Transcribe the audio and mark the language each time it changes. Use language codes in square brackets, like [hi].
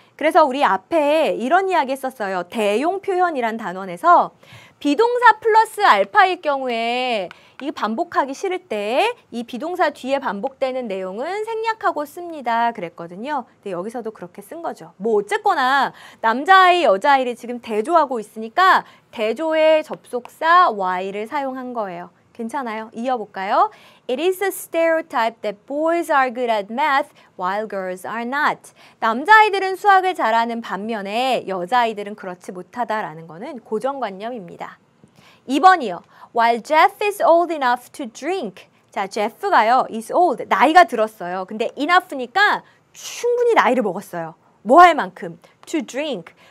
[ko] 그래서 우리 앞에 이런 이야기 했었어요. 대용 표현이란 단원에서 비동사 플러스 알파일 경우에 이 반복하기 싫을 때 이 비동사 뒤에 반복되는 내용은 생략하고 씁니다. 그랬거든요. 근데 여기서도 그렇게 쓴 거죠. 뭐 어쨌거나 남자아이, 여자아이를 지금 대조하고 있으니까 대조의 접속사 y를 사용한 거예요. 괜찮아요? 이어볼까요? [en] It is a stereotype that boys are good at math while girls are not. [ko] 남자아이들은 수학을 잘하는 반면에 여자아이들은 그렇지 못하다라는 거는 고정관념입니다. 2번이요. [en] While Jeff is old enough to drink. [ko] 자, Jeff가요. [en] is old. [ko] 나이가 들었어요. 근데 enough니까 충분히 나이를 먹었어요. 뭐 할 만큼? [en] To drink.